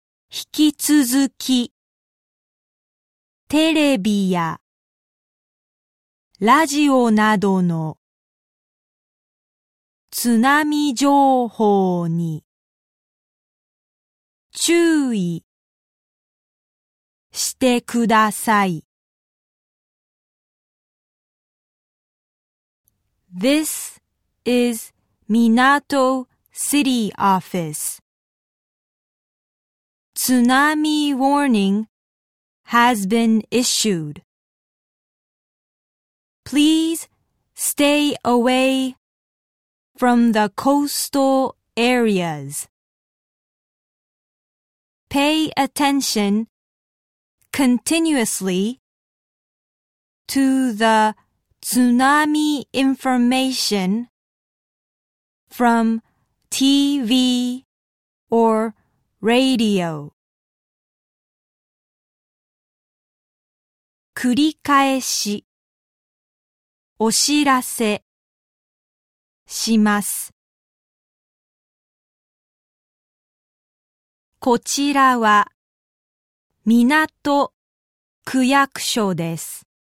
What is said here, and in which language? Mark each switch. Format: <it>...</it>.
<ja>引き続きテレビやラジオなどの津波情報に注意してください。</ja> <en>This is Minato City Office. 津波 warning has been issued. Please stay away from the coastal areas. Pay attention continuously to the tsunami information from TV or radio.</en> <ja>繰り返しお知らせします。こちらは港区役所です。</ja>